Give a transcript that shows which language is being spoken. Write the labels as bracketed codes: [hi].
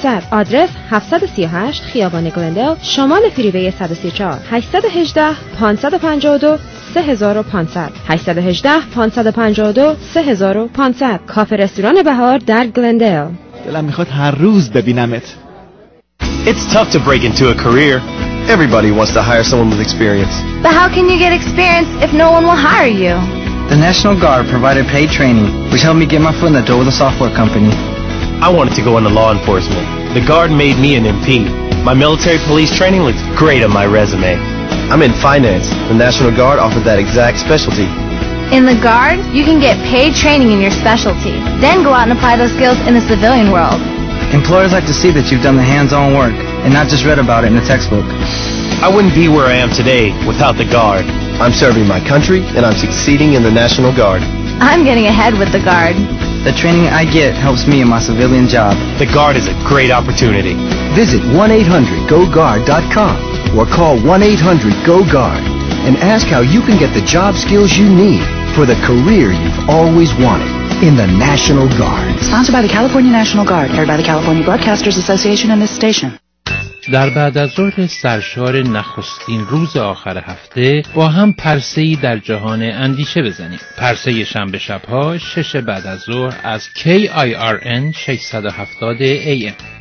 [fa] آدرس 738 خیابان گلندل، شمال فریوی 134. 818-552-3500 818-552-3500 کافه رستوران بهار در گلندل. دلم میخواد هر روز ببینمت. [en] It's tough to break into a career. Everybody wants to hire someone with experience. But how can you get experience if no one will hire you? The National Guard provided paid training, which helped me get my foot in the door with a software company. I wanted to go into law enforcement. The Guard made me an MP. My military police training looked great on my resume. I'm in finance. The National Guard offered that exact specialty. In the Guard, you can get paid training in your specialty, then go out and apply those skills in the civilian world. Employers like to see that you've done the hands-on work and not just read about it in a textbook. I wouldn't be where I am today without the Guard. I'm serving my country and I'm succeeding in the National Guard. I'm getting ahead with the Guard. The training I get helps me in my civilian job. The Guard is a great opportunity. Visit 1-800-GO-GUARD.com or call 1-800-GO-GUARD and ask how you can get the job skills you need for the career you've always wanted in the National Guard. Sponsored by the California National Guard, aired by the California Broadcasters Association and this station. [fa] در بعد از ظهر سرشار نخستین روز آخر هفته با هم پرسه‌ای در جهان اندیشه بزنیم. پرسه شنبه شب‌ها 6 بعد از ظهر از KIRN 670 AM.